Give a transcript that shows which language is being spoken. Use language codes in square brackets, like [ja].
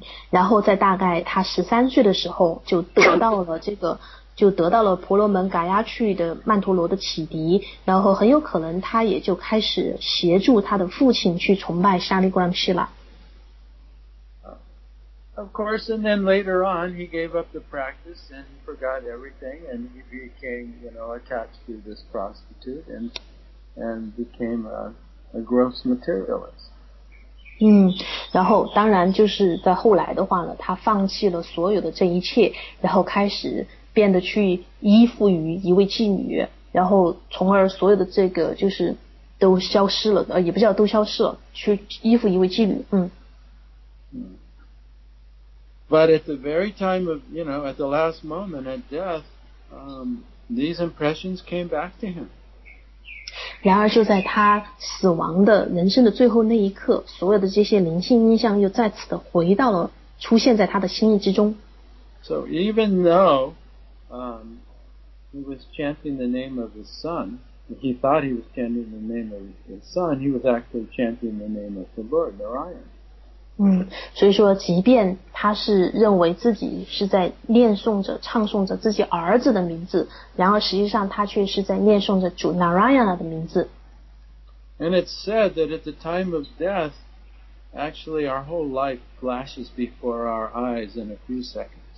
[zh] 然后在大概他13岁的时候就得到了这个就得到了婆罗门嘎亚去的曼陀罗的启迪，然后很有可能他也就开始协助他的父亲去崇拜 Shaligram Shila。 [en] Of course, and then later on, he gave up the practice and he forgot everything and he became, attached to this prostitute and became a gross materialist. [zh] 然后当然就是在后来的话呢，他放弃了所有的这一切，然后开始变得去依附于一位妓女，然后从而所有的这个就是都消失了，也不叫都消失了，去依附一位妓女。 [en] But at the very time of, you know, at the last moment at death, these impressions came back to him. [zh] 然而就在他死亡的人生的最后那一刻，所有的这些灵性印象又再次的回到了出现在他的心意之中。 [en] So even though, he was chanting the name of his son, he thought he was chanting the name of his son, he was actually chanting the name of the Lord, Narayan. [zh] 所以说即便他是认为自己是在念诵着唱诵着自己儿子的名字，然而实际上他却是在念诵着主 Narayana 的名字。 [en] And it's said that at the time of death, actually our whole life flashes before our eyes in a few seconds.